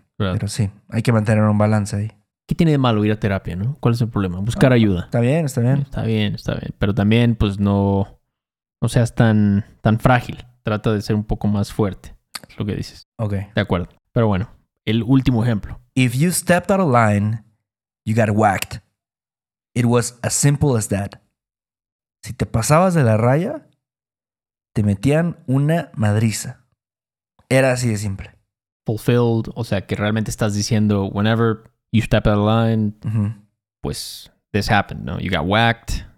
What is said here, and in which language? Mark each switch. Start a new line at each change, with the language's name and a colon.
Spanish: Pero sí, hay que mantener un balance ahí. ¿Qué tiene de malo ir a terapia, no? ¿Cuál es el problema? Buscar ayuda. Está bien, está bien. Está bien, está bien. Pero también, pues, no seas tan frágil. Trata de ser un poco más fuerte. Es lo que dices. Ok. De acuerdo. Pero bueno, el último ejemplo.
English: If you stepped out of line, you got whacked. It was as simple as that.
Spanish: Si te pasabas de la raya, te metían una madriza. Era así de simple. Fulfilled. O sea, que realmente estás diciendo,
English: whenever you step out of line,
Spanish: pues,
English: this happened,
Spanish: ¿no?
English: You got whacked.